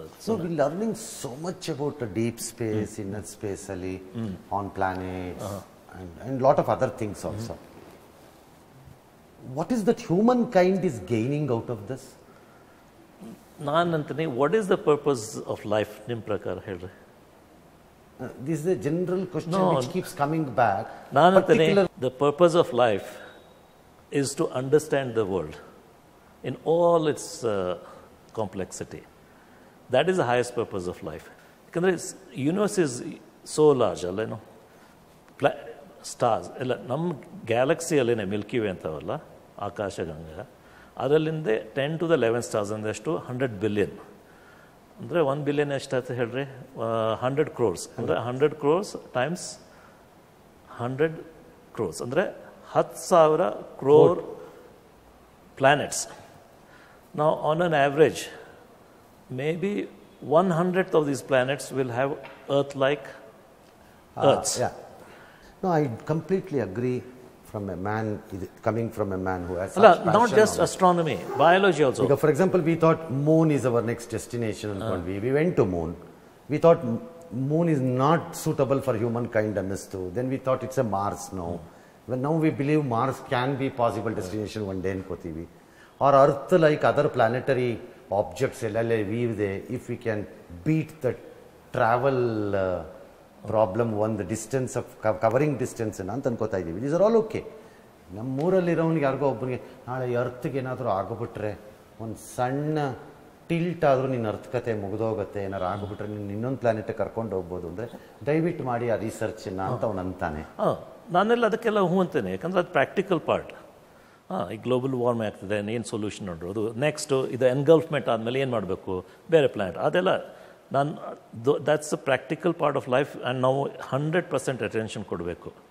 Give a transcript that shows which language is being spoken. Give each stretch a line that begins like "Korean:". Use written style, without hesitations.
English: So we learning so much about deep space, inner space ಅಲ್ಲಿ on planet and lot of other things also. What is that humankind is gaining out of this? ನಾನಂತೀನಿ, what is the purpose of life
Kannada: ನಿಮ್ಮ ಪ್ರಕಾರ ಹೇಳ್ರಿ.
English: This is a general question which keeps coming back. The purpose of life is to understand the world in all its complexity. That is the highest purpose of life. Because the universe is so large, you know.
Kannada: Stars ಎಲ್ಲ ನಮ್ಮ ಗ್ಯಾಲಕ್ಸಿಯಲ್ಲೇನೆ Milky way ಅಂತವಲ್ಲ Akash Ganga, ಅದರಲ್ಲಿಂದ 10 to 11 stars ಅಂದಷ್ಟು 100 billion ಅಂದರೆ 1 billion ಎಷ್ಟು ಆಯ್ತು ಹೇಳ್ರಿ, 100 crores ಅಂದರೆ 100 crores times 100 crores ಅಂದರೆ 10,000 crore planets.
English: ನಾವು on on average may be 100th of these planets will have earth like earth. No, I completely agree from a man, coming from a man who has such passion. Not just astronomy, biology also. Because for example, we thought moon is our next destination. We went to moon. We thought moon is not suitable for humankind, understood. Then we thought it's a Mars, no. But now we believe Mars can be possible destination one day in Kothivi. Or Earth like other planetary objects, if we can beat the travel problem on the distance of covering distance
Kannada: ಅಂತ ಅನ್ಕೋತಾ ಇದೀವಿ.
English: This are all okay.
Kannada: ನಮ್ಮೂರಲ್ಲಿರೋನಿಗೆ ಯಾರಿಗೋ ಒಬ್ಬನಿಗೆ ನಾಳೆ ಅರ್ಥ್ಗೆ ಏನಾದರೂ ಆಗಿಬಿಟ್ರೆ, ಒಂದು ಸಣ್ಣ tilt ಆದರೂ ನಿನ್ನ ಅರ್ಥ್ ಕತೆ ಮುಗಿದೋಗುತ್ತೆ, ಏನಾರು ಆಗಿಬಿಟ್ರೆ ನಿನ್ನ ಇನ್ನೊಂದು ಪ್ಲಾನೆಟ್ ಕರ್ಕೊಂಡು ಹೋಗ್ಬೋದು ಅಂದರೆ ದಯವಿಟ್ಟು ಮಾಡಿ ಆ ರಿಸರ್ಚನ್ನ ಅಂತ ಅವನು ಅಂತಾನೆ. ಹಾಂ, ನಾನೆಲ್ಲ ಅದಕ್ಕೆಲ್ಲ ಹೂ ಅಂತೇನೆ, ಯಾಕಂದರೆ ಅದು ಪ್ರಾಕ್ಟಿಕಲ್ ಪಾರ್ಟ್. ಹಾಂ, ಈ ಗ್ಲೋಬಲ್ ವಾರ್ಮಿಂಗ್ ಆಗ್ತಿದೆ, ಏನು ಸೊಲ್ಯೂಷನ್ ನೋಡಿರೋದು, ನೆಕ್ಸ್ಟು ಇದು ಎನ್ಗಲ್ಫ್ಮೆಂಟ್ ಆದಮೇಲೆ ಏನು ಮಾಡಬೇಕು ಬೇರೆ ಪ್ಲಾನೆಟ್, ಅದೆಲ್ಲ ನಾನು
English: that's a practical part of life
Kannada: and ನಾವು 100% ಅಟೆನ್ಷನ್ ಕೊಡಬೇಕು.